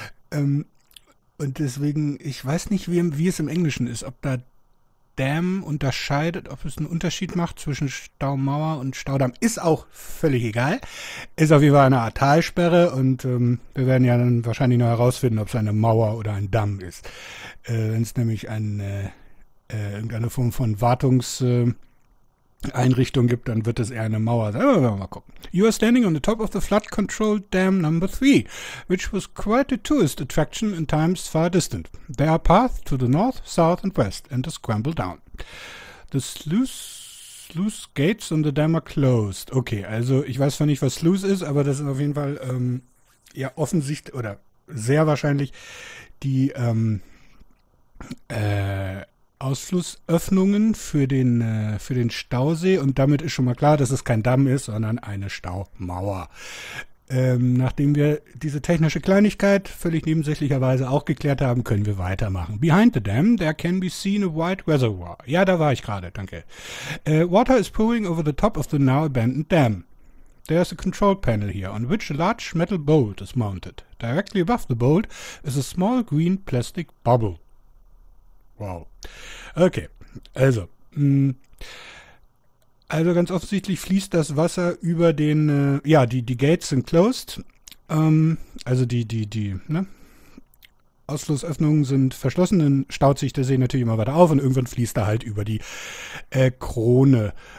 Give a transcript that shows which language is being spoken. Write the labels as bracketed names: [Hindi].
[German] Und deswegen, ich weiß nicht, wie es im Englischen ist, ob da Dam unterscheidet, ob es einen Unterschied macht zwischen Staumauer und Staudamm, ist auch völlig egal. Ist auf jeden Fall eine Art Talsperre und wir werden ja dann wahrscheinlich noch herausfinden, ob es eine Mauer oder ein Damm ist. Wenn es nämlich irgendeine Form von Wartungseinrichtung gibt, dann wird es eher eine Mauer sein. Aber wir mal gucken. [English] You are standing on the top of the flood control dam number 3, which was quite a tourist attraction in times far distant. There are paths to the north, south and west and a scramble down. The sluice gates on the dam are closed. [German] Okay, also ich weiß zwar nicht, was Sluice ist, aber das ist auf jeden Fall ja offensichtlich oder sehr wahrscheinlich die Ausflussöffnungen für den Stausee, und damit ist schon mal klar, dass es kein Damm ist, sondern eine Staumauer. Nachdem wir diese technische Kleinigkeit völlig nebensächlicherweise auch geklärt haben, können wir weitermachen. [English] Behind the dam, there can be seen a white reservoir. [German] Ja, da war ich gerade, danke. [English] Water is pouring over the top of the now abandoned dam. There is a control panel here, on which a large metal bolt is mounted. Directly above the bolt is a small green plastic bubble. Wow. [German] Okay, also ganz offensichtlich fließt das Wasser über den, ja, die Gates sind closed, also ne? Ausflussöffnungen sind verschlossen, dann staut sich der See natürlich immer weiter auf und irgendwann fließt er halt über die Krone.